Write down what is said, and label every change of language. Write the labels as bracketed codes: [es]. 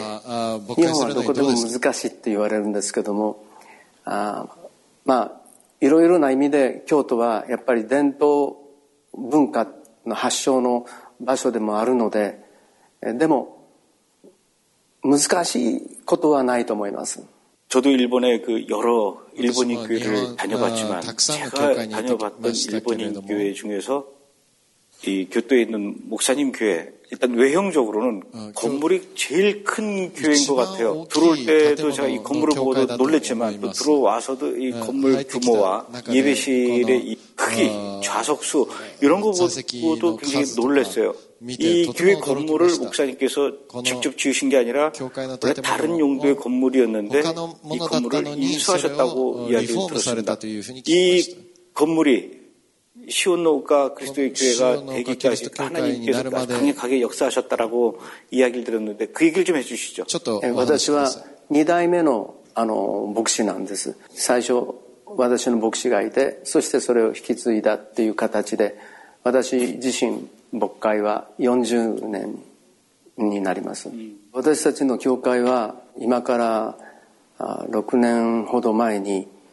[ja] 日本はどこでも難しいって言われるんですけども、まあ、いろいろな意味で京都はやっぱり伝統文化、 発祥の場所でもあるので、でも難しいことはないと思います。 [ko] 저도 일본에 그 여러 일본인 교회를 다녀봤지만 제가 다녀봤던 일본인 교회 중에서 이 교토에 있는 목사님 교회 일단 외형적으로는 건물이 제일 큰 교회인 것 같아요. 들어올 때도 제가 이 건물을 보고도 놀랬지만 또 들어와서도 이 건물 규모와 예배실의 이 크기, 좌석수 이런 거 보고도 굉장히 놀랬어요. 이 교회 건물을 목사님께서 직접 지으신 게 아니라 원래 다른 용도의 건물이었는데 이 건물을 인수하셨다고 이야기를 들었습니다. 이 건물이 시온노가 그리스도의 교회가 되기까지 하나님께서 강력하게 역사하셨다라고 이야기를 들었는데 그 얘기를 좀 해주시죠. 저도 [ja] 2代目の牧師なんです。最初私の牧師がいて、そしてそれを引き継いだっていう形で、私自身牧会は40年になります。私たちの教会は今から6年ほど前に、